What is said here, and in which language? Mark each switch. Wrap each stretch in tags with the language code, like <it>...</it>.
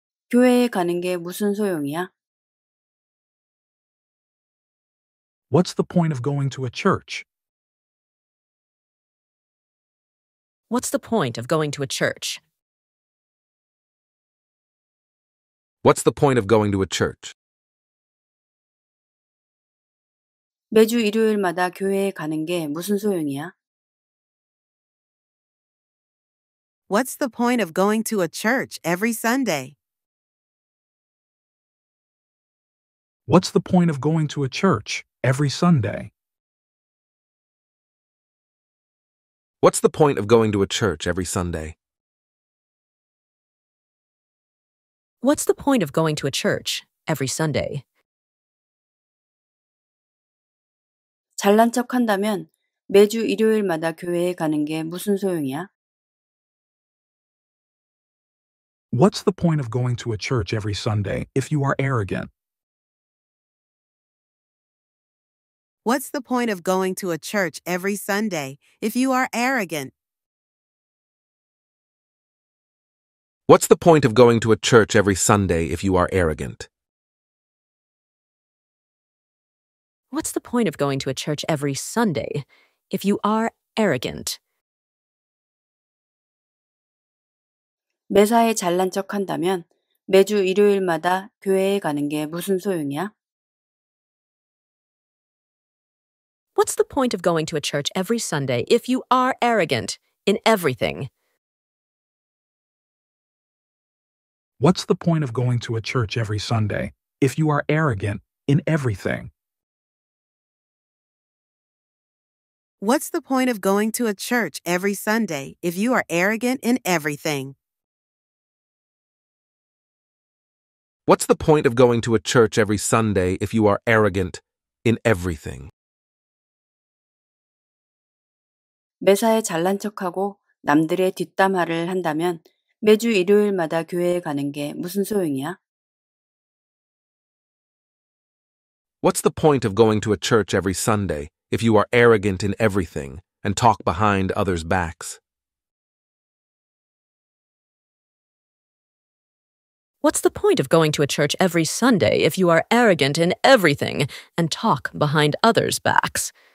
<ko>교회에 가는 게 무슨 소용이야?</ko> <en>What's the point of going to a church? What's the point of going to a church? What's the point of going to a church?</en> <ko>매주 일요일마다 교회에 가는 게 무슨 소용이야?</ko> <en>What's the point of going to a church every Sunday? What's the point of going to a church every Sunday? What's the point of going to a church every Sunday? What's the point of going to a church every Sunday?</en> <ko>잘난 척한다면 매주 일요일마다 교회에 가는 게 무슨 소용이야?</ko> <en>What's the point of going to a church every Sunday if you are arrogant? What's the point of going to a church every Sunday if you are arrogant? What's the point of going to a church every Sunday if you are arrogant? What's the point of going to a church every Sunday if you are arrogant?</en> <ko>매사에 잘난 척 한다면 매주 일요일마다 교회에 가는 게 무슨 소용이야?</ko> <en>What's the point of going to a church every Sunday if you are arrogant in everything? What's the point of going to a church every Sunday if you are arrogant in everything? What's the point of going to a church every Sunday if you are arrogant in everything? What's the point of going to a church every Sunday if you are arrogant in everything?</en> <ko>매사에 잘난 척하고 남들의 뒷담화를 한다면 매주 일요일마다 교회에 가는 게 무슨 소용이야?</ko> <en>What's the point of going to a church every Sunday if you are arrogant in everything and talk behind others' backs? What's the point of going to a church every Sunday if you are arrogant in everything and talk behind others' backs?</en>